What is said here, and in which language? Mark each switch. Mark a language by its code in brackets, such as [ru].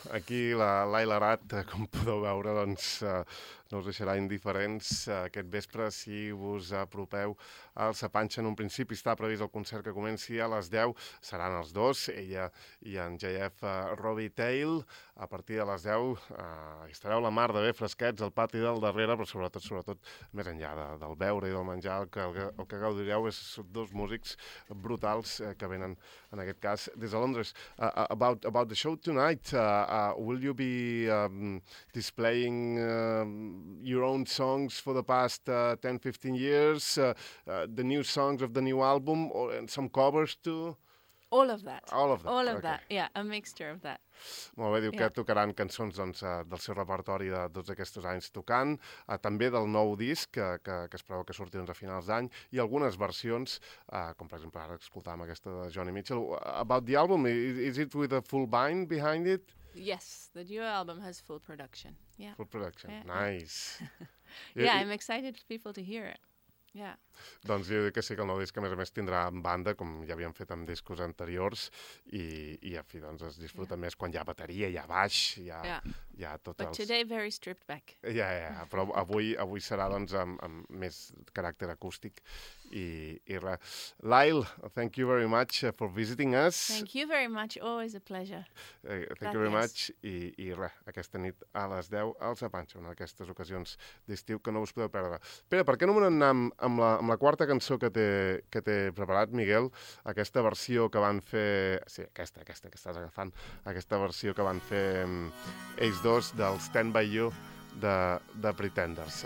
[ca] Aquí la Laila Arat, com podeu veure, doncs no us deixarà indiferents aquest vespre si vos apropeu al Sa Panxa. En un principi està previst el concert que comenci a les 10, seran els dos, ella i en JF Robbie Tail. A partir de les 10 estareu la mar de bé fresquets al pati del darrere, però sobretot més enllà del beure i del menjar, el que gaudireu és dos músics brutals que venen, en aquest cas, des de Londres. [en] About the show tonight, will you be displaying your own songs for the past 10-15 years, the new songs of the new album, or some covers too? All of that. Yeah, a mixture of that. [ca] Molt bé, diu que tocaran cançons doncs, del seu repertori de tots aquests anys tocant, també del nou disc que es preveu que surti doncs, a finals d'any, i algunes versions, com per exemple ara escoltàvem aquesta de Joni Mitchell, about the album, is it with a full band behind it? [en] Yes, the new album has full production. Yeah. Full production, nice. Yeah, I'm excited for people to hear it. Yeah. [ca] Doncs jo dic que sí, que el nou disc a més tindrà en banda, com ja havíem fet amb discos anteriors, i a fi doncs es disfruta més quan hi ha bateria, hi ha baix, hi ha tot. [en] But today very stripped back. [ca] Però avui serà doncs amb més caràcter acústic i res. [en] Lyle, thank you very much for visiting us. Thank you very much, always a pleasure. [ca] Thank you very much, i res, aquesta nit a les 10 als Apanxa, en aquestes ocasions d'estiu que no us podeu perdre. Pere, per què no anem amb la quarta cançó que t'he preparat, Miguel, aquesta versió que van fer... Sí, aquesta que estàs agafant, aquesta versió que van fer ells dos del Stand By You de Pretenders.